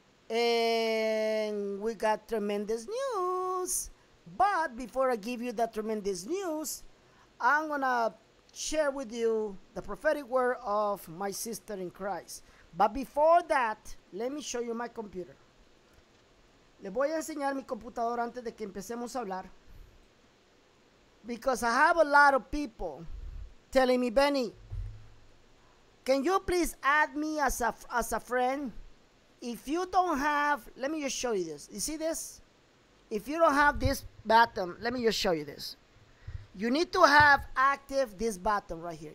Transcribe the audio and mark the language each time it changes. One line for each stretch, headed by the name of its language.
English: And we got tremendous news. But before I give you the tremendous news, I'm going to share with you the prophetic word of my sister in Christ. But before that, let me show you my computer.
Spanish: Le voy a enseñar mi computadora antes de que empecemos a hablar.
English: Because I have a lot of people telling me, Benny, can you please add me as a friend? If you don't have, let me just show you this. You see this? If you don't have this button, let me just show you this. You need to have active this button right here.